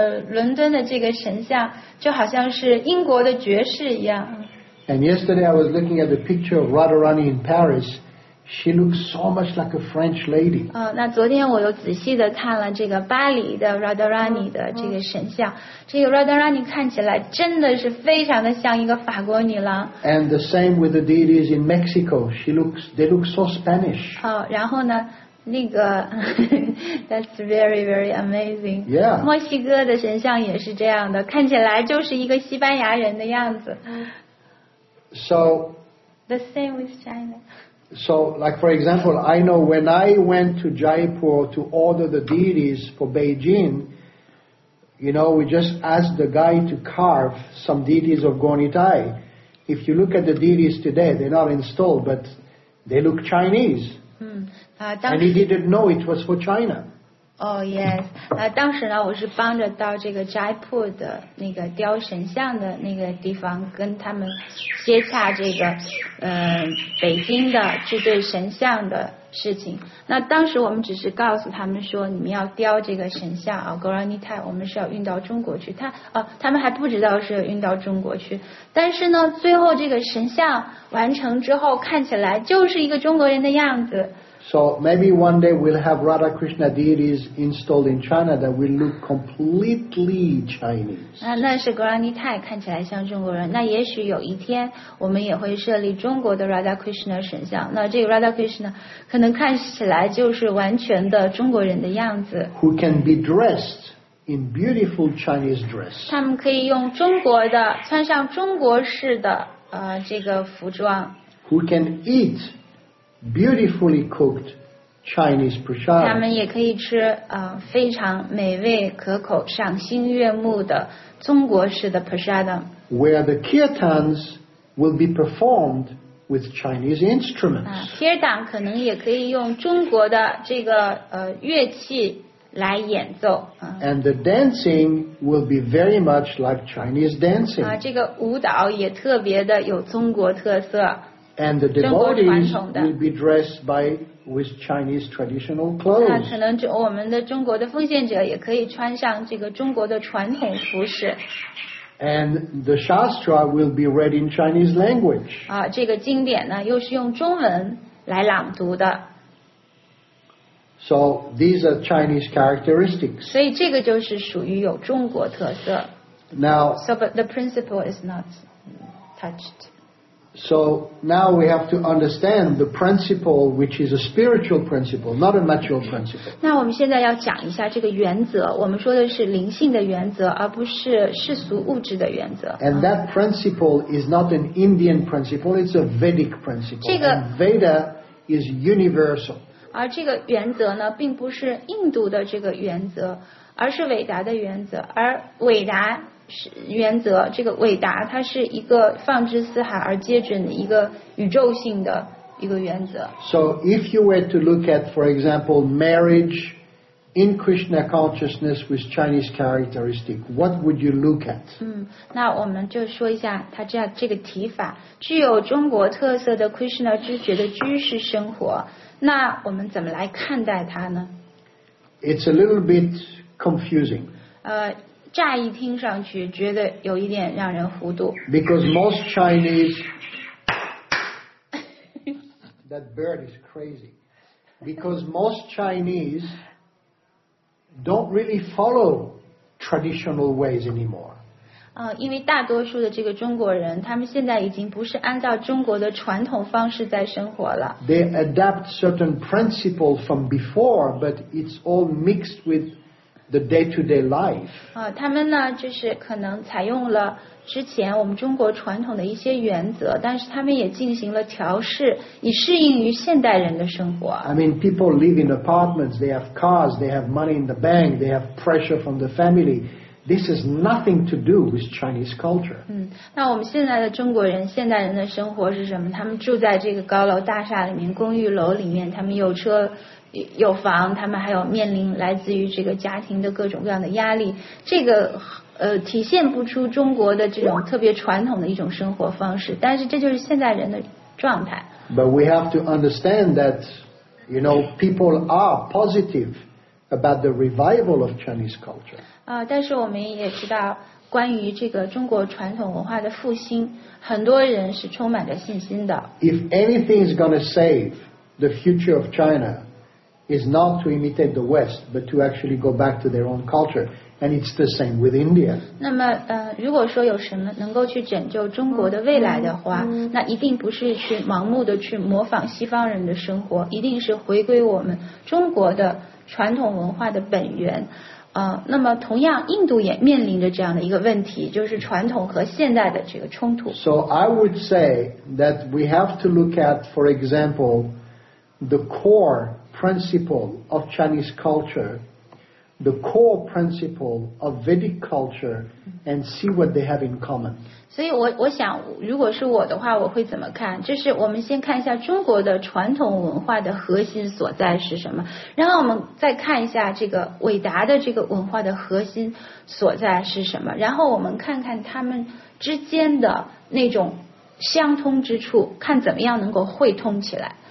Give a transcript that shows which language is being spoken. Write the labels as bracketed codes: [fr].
[zh] 伦敦的这个神像就好像是英国的爵士一样。 [en] And yesterday I was looking at the picture of Radharani in Paris. She looks so much like a French lady. [zh] 那昨天我又仔细的看了这个巴黎的 Radharani 的这个神像，这个 Radharani 看起来真的是非常的像一个法国女郎。 [en] And the same with the deities in Mexico. They look so Spanish. [zh] 然后呢？那个 [en] that's very very amazing. Yeah. [zh] 墨西哥的神像也是这样的，看起来就是一个西班牙人的样子。 [en] So. The same with China. So, like for example, I know when I went to Jaipur to order the deities for Beijing, you know, we just asked the guy to carve some deities of Gonitai. If you look at the deities today, they're not installed, but they look Chinese. And he didn't know it was for China. Oh yes. [zh] 当时呢，我是帮着到这个斋铺的那个雕神像的那个地方，跟他们接洽这个北京的这对神像的事情。那当时我们只是告诉他们说，你们要雕这个神像啊 ，Goranitai， 我们是要运到中国去。他们还不知道是运到中国去。但是呢，最后这个神像完成之后，看起来就是一个中国人的样子。 [en] So maybe one day we'll have Radha Krishna deities installed in China that will look completely Chinese. [zh] 那是 Goranitai 看起来像中国人。那也许有一天我们也会设立中国的 Radha Krishna 神像。那这个 Radha Krishna 可能看起来就是完全的中国人的样子。 [en] Who can be dressed in beautiful Chinese dress? [zh] 他们可以用中国的穿上中国式的这个服装。 [en] Who can eat? Beautifully cooked Chinese prasad. [zh] 他们也可以吃非常美味可口赏心悦目的中国式的 prasad. [en] Where the kirtans will be performed with Chinese instruments. [zh] Kirtan 可能也可以用中国的这个乐器来演奏。 [en] And the dancing will be very much like Chinese dancing. [zh] 这个舞蹈也特别的有中国特色。 [en] And the devotees will be dressed with Chinese traditional clothes. [zh] 可能就我们的中国的奉献者也可以穿上这个中国的传统服饰。 [en] And the shastra will be read in Chinese language. [zh] 这个经典呢又是用中文来朗读的。 [en] So these are Chinese characteristics. [zh] 所以这个就是属于有中国特色。 [en] Now, so but the principle is not touched. So now we have to understand the principle, which is a spiritual principle, not a material principle. [zh] 那我们现在要讲一下这个原则。我们说的是灵性的原则，而不是世俗物质的原则。 [en] And that principle is not an Indian principle; it's a Vedic principle. [zh] 这个 [en] Veda is universal. [zh] 而这个原则呢，并不是印度的这个原则，而是伟达的原则，而伟达。原则这个伟达它是一个放之四海而皆准的一个宇宙性的一个原则。 [en] So if you were to look at, for example, marriage in Krishna consciousness with Chinese characteristic, what would you look at? [zh] 那我们就说一下它这个提法，具有中国特色的 Krishna 知觉的居士生活，那我们怎么来看待它呢？ [en] It's a little bit confusing. [zh] 乍一听上去觉得有一点让人糊涂。 [en] Because most Chinese, that bird is crazy. Because most Chinese don't really follow traditional ways anymore. [zh] 因为大多数的这个中国人，他们现在已经不是按照中国的传统方式在生活了。 [en] They adapt certain principles from before, but it's all mixed with. The day-to-day life. [zh] 他们呢，就是可能采用了之前我们中国传统的一些原则，但是他们也进行了调试，以适应于现代人的生活。 [en] I mean, people live in apartments. They have cars. They have money in the bank. They have pressure from the family. This has nothing to do with Chinese culture. [zh] 那我们现在的中国人，现代人的生活是什么？他们住在这个高楼大厦里面，公寓楼里面，他们有车。有房，他们还有面临来自于这个家庭的各种各样的压力，这个体现不出中国的这种特别传统的一种生活方式，但是这就是现在人的状态。 [en] But we have to understand that, you know, people are positive about the revival of Chinese culture. [zh] 但是我们也知道，关于这个中国传统文化的复兴，很多人是充满着信心的。 [en] If anything is going to save the future of China, is not to imitate the West, but to actually go back to their own culture. And it's the same with India. [zh] 那么，如果说有什么能够去拯救中国的未来的话，那一定不是去盲目的去模仿西方人的生活，一定是回归我们中国的传统文化的本源。那么同样，印度也面临着这样的一个问题，就是传统和现代的这个冲突。 [en] So I would say that we have to look at, for example, the core principle of Chinese culture. The core principle of Vedic culture, and see what they have in common. [zh] 所以我想，如果是我的话，我会怎么看？就是我们先看一下中国的传统文化的核心所在是什么，然后我们再看一下这个伟达的这个文化的核心所在是什么，然后我们看看他们之间的那种相通之处，看怎么样能够汇通起来。